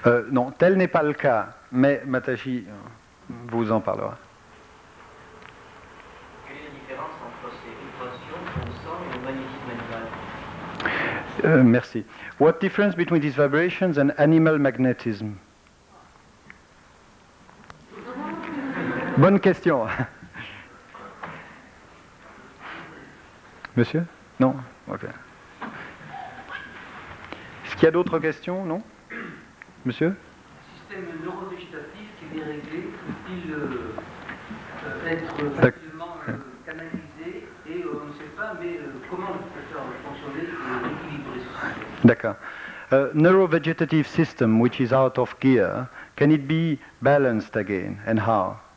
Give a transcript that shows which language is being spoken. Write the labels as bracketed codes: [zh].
[fr] Non, tel n'est pas le cas, mais Mataji vous en parlera. Quelle est la différence entre ces vibrations constantes et le magnétisme animal? Merci. [en] What difference between these vibrations and animal magnetism? [fr] Bonne question. Monsieur? Non? Ok. Est-ce qu'il y a d'autres questions? Non? Monsieur? Système neurovégétatif qui est déréglé, peut-il être facilement canalisé et on ne sait pas, mais comment le facteur fonctionner pour équilibrer ce système? D'accord. [en] A neurovegetative system which is out of gear, can it be balanced again and how?